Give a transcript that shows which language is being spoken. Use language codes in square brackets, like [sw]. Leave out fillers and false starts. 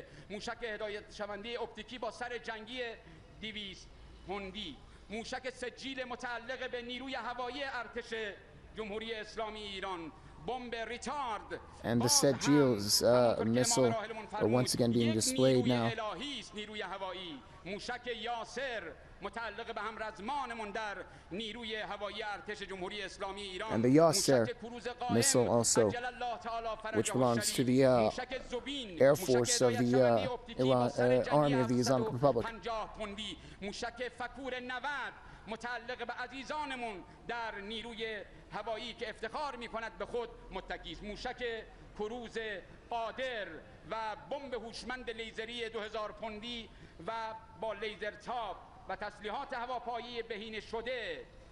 [fa] موشک هدایت شونده اپتیکی با سر جنگی 200 هندی، موشک سجیل متعلق به نیروی هوایی ارتش جمهوری اسلامی ایران، بمب ریتارد. [en] And the Sejil's missile are once again being displayed now. [fa] نیروی هوایی، موشک یاسر متعلق به همرزمانمون در نیروی هوایی ارتش جمهوری اسلامی ایران. [en] And the Yasser missile also, which belongs to the Air Force of the Army of the Islamic Republic. [fa] موشک فکور 90 متعلق به عزیزانمون در نیروی هوایی که افتخار میکند به خود متکی است. موشک کروز قادر و بمب هوشمند لیزری 2000 پوندی و با لیزر تاپ و تسلیحات هواپایی بهینه شده.